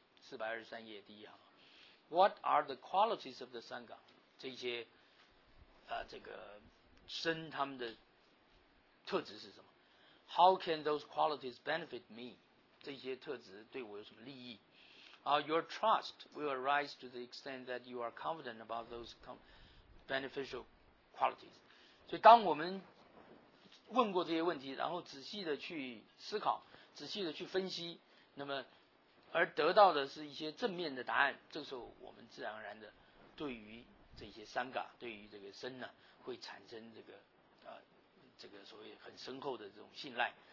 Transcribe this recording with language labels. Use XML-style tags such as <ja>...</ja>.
<zh>423页第一行。</zh> <en>What are the qualities of the Sangha?</en> <zh>这些这个身他们的特质是什么？</zh> <en>How can those qualities benefit me?</en> <zh>这些特质对我有什么利益？</zh> <en>Your trust will arise to the extent that you are confident about those beneficial qualities.</en> <zh>所以当我们问过这些问题，然后仔细的去思考，仔细的去分析，那么而得到的是一些正面的答案，这个时候我们自然而然的对于这些三嘎，对于这个身呢，会产生这个所谓很深厚的这种信赖。</zh>